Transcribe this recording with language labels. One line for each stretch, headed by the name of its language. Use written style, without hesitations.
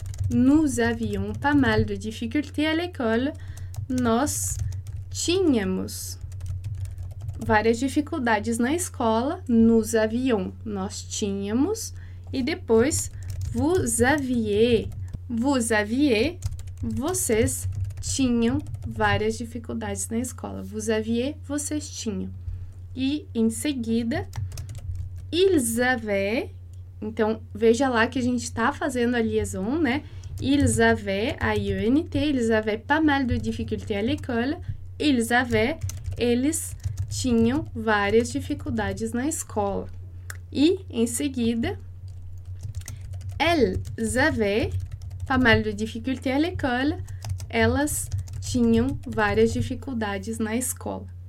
French: Nous avions pas mal de difficultés à l'école.
Portuguese: Nós tínhamos várias dificuldades na escola.
French: Nous avions,
Portuguese: nós tínhamos. E depois, vocês tinham várias dificuldades na escola.
French: Vous aviez,
Portuguese: vocês tinham. E em seguida,
French: ils avaient.
Portuguese: Então, veja lá que a gente está fazendo a liaison, né?
French: Ils avaient, a IENT, ils avaient pas mal de difficultés à l'école. Ils avaient,
Portuguese: eles tinham várias dificuldades na escola. E em seguida,
French: elles avaient pas mal de difficultés à l'école.
Portuguese: Elas tinham várias dificuldades na escola.